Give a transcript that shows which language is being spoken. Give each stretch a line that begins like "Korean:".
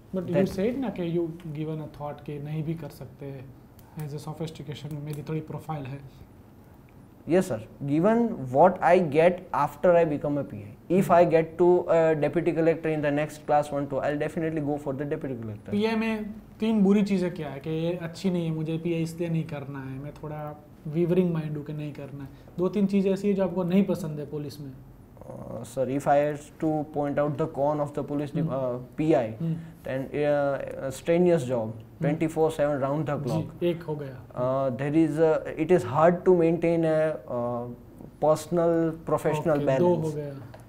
English: But that you said na ke you given a thought
Hindi: ke nahi bhi kar sakte
English: as a sophistication,
Hindi: meri thodi profile hai.
English: Yes, sir. Given what I get after I become a PI, if I get to a deputy collector in the next class 1-2, I'll definitely go for the deputy collector.
Hindi: PI में तीन बुरी चीजें क्या है कि अच्छी नहीं है मुझे PI इसलिए नहीं करना है मैं थोड़ा
English: wavering mind
Hindi: हूँ कि नहीं करना है दो तीन चीजें ऐसी हैं जो आपको नहीं पसंद है पुलिस में
English: Sir, if I had to point out the con of the police PI, then strenuous job, 24/7 round the clock.
Hindi: एक हो गया.
English: It is hard to maintain a personal professional okay, balance.
Hindi: दो हो गया.